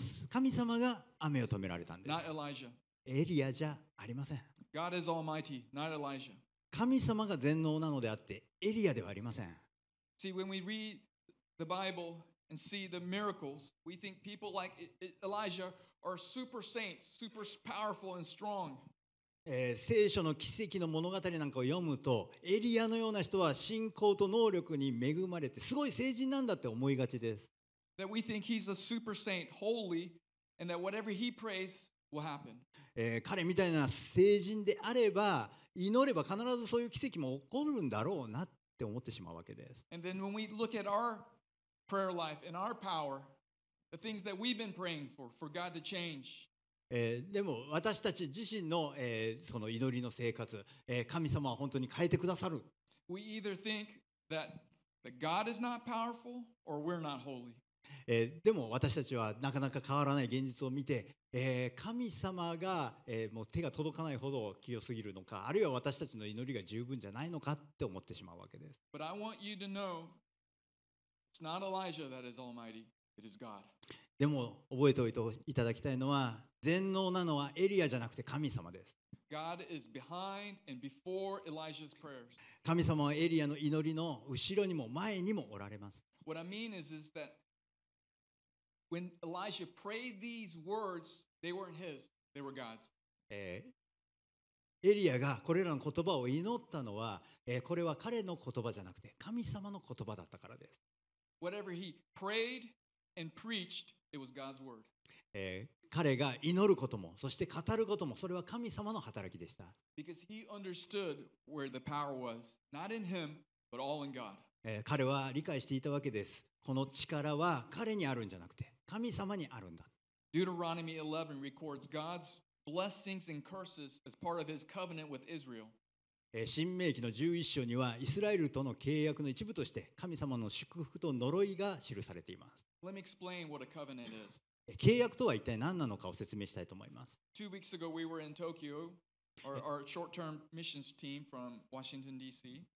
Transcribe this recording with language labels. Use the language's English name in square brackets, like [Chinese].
[Japanese] 神様が雨を止められたんです。 [English] Not Elijah. [Japanese] エリアじゃありません。 [English] God is Almighty, not Elijah. [Japanese] 神様が全能なのであって、エリアではありません。 [English] See, when we read the Bible and see the miracles, we think people like Elijah are super saints, super powerful and strong. [Japanese] 聖書の奇跡の物語なんかを読むと、エリアのような人は信仰と能力に恵まれて、すごい聖人なんだって思いがちです。 [English] That we think he's a super saint, holy, and that whatever he prays will happen. [Japanese] 彼みたいな聖人であれば、祈れば必ずそういう奇跡も起こるんだろうなって思ってしまうわけです。 [English] And then when we look at our prayer life and our power, the things that we've been praying for God to change. [Japanese] でも私たち自身の、その祈りの生活、神様は本当に変えてくださる。 [English] We either think that God is not powerful or we're not holy. [Japanese] でも私たちはなかなか変わらない現実を見て、神様が、もう手が届かないほど清すぎるのか、あるいは私たちの祈りが十分じゃないのかって思ってしまうわけです。 [English] But I want you to know, it's not Elijah that is almighty, it is God. [Japanese] でも覚えておいていただきたいのは、全能なのはエリアじゃなくて神様です。 [English] God is behind and before Elijah's prayers. [Japanese] 神様はエリアの祈りの後ろにも前にもおられます。 [English] What I mean is that. When Elijah prayed these words, they weren't his, they were God's. [Japanese] エリアがこれらの言葉を祈ったのは、これは彼の言葉じゃなくて神様の言葉だったからです。 [English] Whatever he prayed and preached, it was God's word. [Japanese] 彼が祈ることも、そして語ることも、それは神様の働きでした。 [English] Because he understood where the power was, not in him, but all in God. [Japanese] 彼は理解していたわけです。この力は彼にあるんじゃなくて神様にあるんだ。 [English] Deuteronomy 11 records God's blessings and curses as part of his covenant with Israel. [Japanese] 新命記の11章にはイスラエルとの契約の一部として神様の祝福と呪いが記されています。 [English] Let me explain what a covenant is. [Japanese] 契約とは一体何なのかを説明したいと思います。 [English] Two weeks ago we were in Tokyo, our short-term missions team from Washington, D.C.